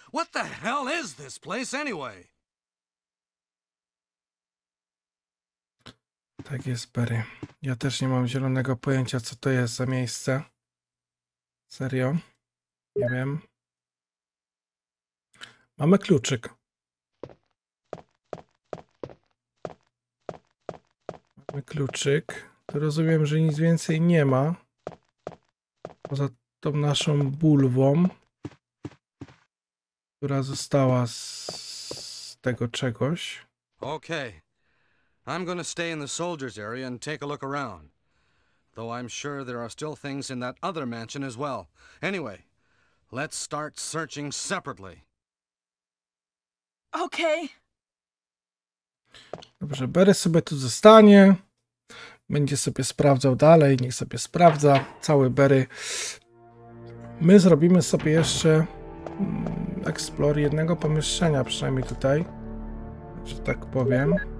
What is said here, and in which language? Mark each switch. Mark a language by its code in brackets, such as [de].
[en] What the hell is this place anyway? [pl] Tak jest, Barry. Ja też nie mam zielonego pojęcia, co to jest za miejsce. Serio? Nie wiem. Mamy kluczyk. Mamy kluczyk. To rozumiem, że nic więcej nie ma. Poza tą naszą bulwą. Która została z tego czegoś. Okej. Okay. [en] I'm going to stay in the soldiers' area and take a look around. Though I'm sure there are still things in that other mansion as well. Anyway, let's start searching separately. Okay. [pl] Dobrze, Barry sobie tu zostanie. Będzie sobie sprawdzał dalej, niech sobie sprawdza cały Barry. My zrobimy sobie jeszcze eksplor jednego pomieszczenia, przynajmniej tutaj, że tak powiem.